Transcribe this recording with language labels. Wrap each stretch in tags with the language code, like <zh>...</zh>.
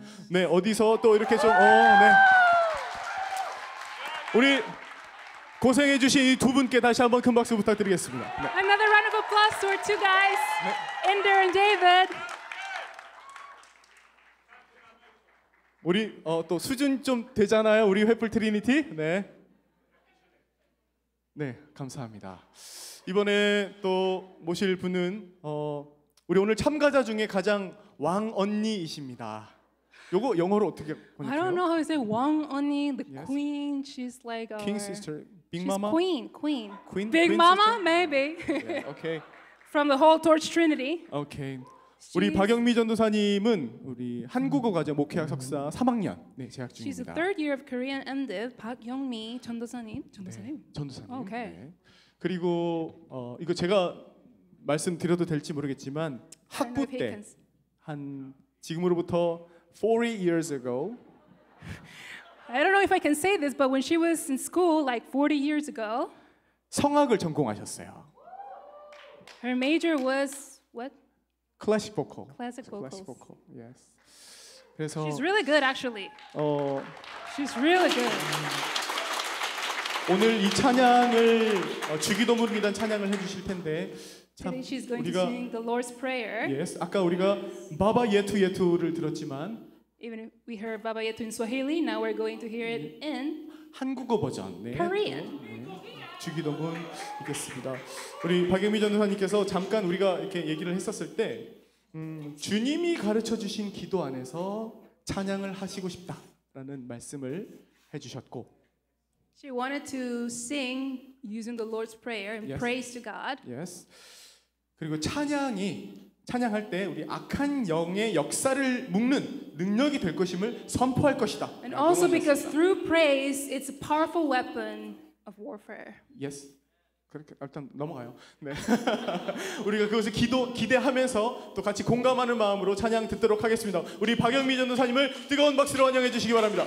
<ko>네, 어디서 또 이렇게 좀, 네. 우리 고생해 주신 이 두 분께 다시 한번 큰 박수 부탁드리겠습니다. 네.</ko> <en>Another round of applause for two guys, Ender and David.</en> <ko>우리 또 수준 좀 되잖아요, 우리 회플 트리니티. 네. 네, 감사합니다. 이번에 또 모실 분은 우리 오늘 참가자 중에 가장 왕 언니이십니다. 요거 영어로 어떻게 번역해요?</ko> <en>I don't know how to say 왕 언니, the yes. queen, she's like our... King sister, Big she's Mama? She's queen, queen. Queen, Big queen Mama? Sister? Maybe. Yeah, okay. From the whole Torch Trinity. Okay. She's...</en> <ko>우리 박영미 전도사님은 우리 한국어 과정 목회학 석사 3학년 네, 재학 중입니다.</ko> <en>She's a third year of Korean MDiv, 박영미 전도사님. 전도사님?</en> <ko>네, 전도사님.</ko> <en>Oh, okay. 네.</en> <ko>그리고 이거 제가 말씀드려도 될지 모르겠지만 학부 때 한 지금으로부터</ko> <en>40 years ago. I don't know if I can say this, but when she was in school, like 40 years ago,</en> <ko>성악을 전공하셨어요.</ko> <en>Her major was what? Classic vocal. Classic vocals. Classic vocal. Yes.</en> <ko>그래서</ko> <en>she's really good, actually. She's really good.</en> <ko>오늘 이 찬양을 주기도문 위단 찬양을 해주실 텐데.</ko> <en>Today she's going</en> <ko>우리가,</ko> <en>to sing the Lord's Prayer.</en> <ko>Yes, 아까 우리가 Baba Yetu Yetu를 들었지만</ko> <en>even if we heard Baba Yetu in Swahili, now we're going to hear it in</en> <ko>한국어 버전. 네.</ko> <en>Korean.</en> <ko>주기도문 있겠습니다. 우리 박영미 전도사님께서 잠깐 우리가 이렇게 얘기를 했었을 때 주님이 가르쳐 주신 기도 안에서 찬양을 하시고 싶다라는 말씀을 해 주셨고</ko> <en>She wanted to sing using the Lord's Prayer and yes. praise to God. Yes.</en> <ko>그리고 찬양이 찬양할 때 우리 악한 영의 역사를 묶는 능력이 될 것임을 선포할 것이다.</ko> <en>And also because through praise, it's a powerful weapon of warfare.</en> <ko>Yes. 그렇게 일단 넘어가요. 네. 우리가 그것을 기대하면서 또 같이 공감하는 마음으로 찬양 듣도록 하겠습니다. 우리 박영미 전도사님을 뜨거운 박수로 환영해 주시기 바랍니다.</ko>